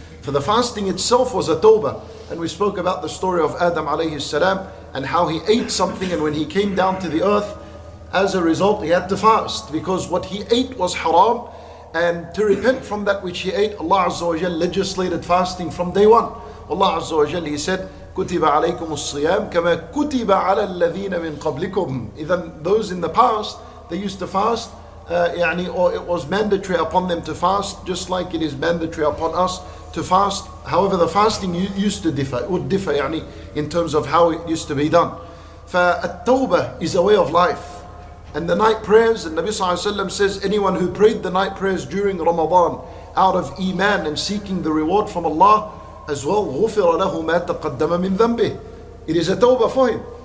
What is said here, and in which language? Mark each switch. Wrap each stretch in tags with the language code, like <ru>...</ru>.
<en>For the fasting itself was a tawbah. And we spoke about the story of Adam alayhi salam and how he ate something, and when he came down to the earth, as a result he had to fast, because what he ate was haram. And to repent from that which he ate, Allah azza wa jal legislated fasting from day one. Allah Azza wa Jalla, He said,</en> <ar>كُتِبَ عَلَيْكُمُ الصِّيَامُ كَمَا كُتِبَ عَلَى الَّذِينَ مِنْ قَبْلِكُمْ.</ar> <en>Even those in the past, they used to fast, or it was mandatory upon them to fast, just like it is mandatory upon us to fast. However, the fasting used to differ, it would differ in terms of how it used to be done. فَالتَّوْبَةِ is a way of life. And the night prayers, and Nabi Sallallahu Alaihi Wasallam says, anyone who prayed the night prayers during Ramadan out of Iman and seeking the reward from Allah, as well,</en> <ar>غُفِرَ لَهُ مَا تَقَدَّمَ مِنْ ذَنْبِهِ.</ar> <en>It is a tawbah for him.</en>